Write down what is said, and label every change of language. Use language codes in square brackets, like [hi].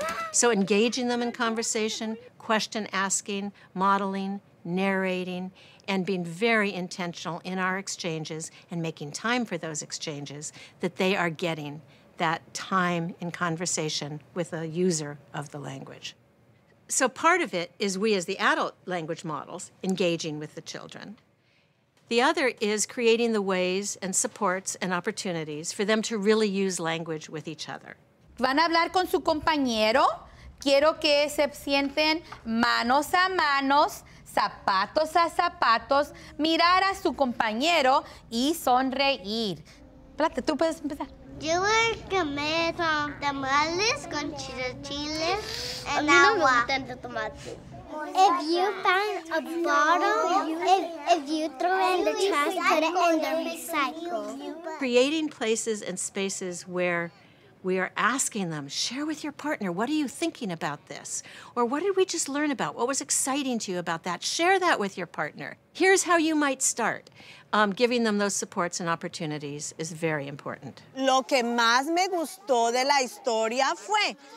[en] So engaging them in conversation, question asking, modeling, narrating, and being very intentional in our exchanges and making time for those exchanges, that they are getting that time in conversation with a user of the language. So part of it is we as the adult language models engaging with the children. The other is creating the ways and supports and opportunities for them to really use language with each other. [es] Van a hablar con su compañero. Quiero que se sienten manos a manos, zapatos a zapatos, mirar a su compañero y sonreír. Plata, tú puedes empezar. Yo voy a comer con tamales, con chilaquiles, and agua. A mí no me gustan los tomates. [en] If you find a bottle, if you throw it in the trash, put it in the recycle. Creating places and spaces where we are asking them, share with your partner, what are you thinking about this? Or what did we just learn about? What was exciting to you about that? Share that with your partner. Here's how you might start. Giving them those supports and opportunities is very important. [es] Lo que más me gustó de la historia fue...